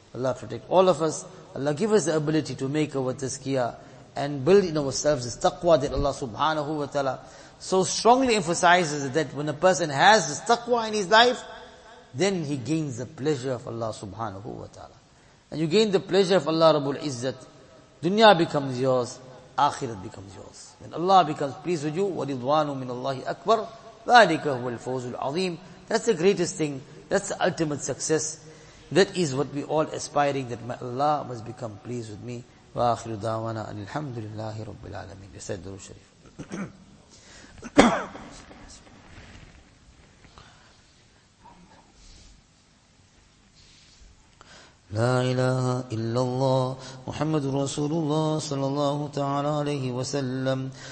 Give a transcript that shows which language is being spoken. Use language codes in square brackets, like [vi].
[en] Allah protect all of us. Allah give us the ability to make our tazkiyah and build in ourselves this taqwa that Allah subhanahu wa ta'ala so strongly emphasizes, that when a person has this taqwa in his life, then he gains the pleasure of Allah subhanahu wa ta'ala. And you gain the pleasure of Allah Rabbul Izzat. Dunya becomes yours, akhirat becomes yours. When Allah becomes pleased with you, [ar] وَرِضْوَانُ مِنَ اللَّهِ أَكْبَرُ ذَلِكَ هُوَ الْفَوْزُ الْعَظِيمُ. [en] That's the greatest thing. That's the ultimate success. That is what we all aspiring, that my Allah must become pleased with me. [ar] وآخر دعوانا أن الحمد لله رب العالمين. يسعد الدرو الشريف. لا إله إلا الله محمد رسول الله صلى الله تعالى عليه وسلم.